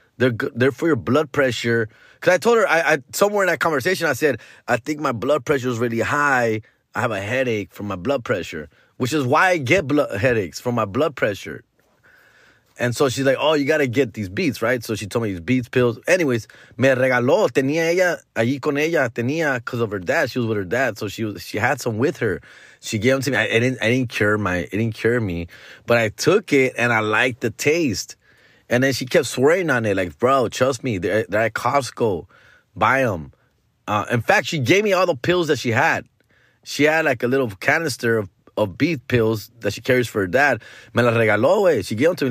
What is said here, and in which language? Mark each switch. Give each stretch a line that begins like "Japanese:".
English: They're for your blood pressure. Because I told her, I somewhere in that conversation, I said, I think my blood pressure is really high. I have a headache from my blood pressure, which is why I get headaches from my blood pressure. And so she's like, oh, you got to get these Beets, right? So she told me these Beets pills.
Spanish: Anyways, me regaló, tenía ella, allí con ella, tenía,
English: because of her dad. She was with her dad, so she had some with her. She gave them to me. It didn't cure me, but I took it, and I liked the taste. And then she kept swearing on it, like, bro, trust me, they're at Costco. Buy them. In fact, she gave me all the pills that she had. She had, like, a little canister of Beets pills that she carries for her dad.
Spanish: Me la regaló, wey.
English: She gave them to me.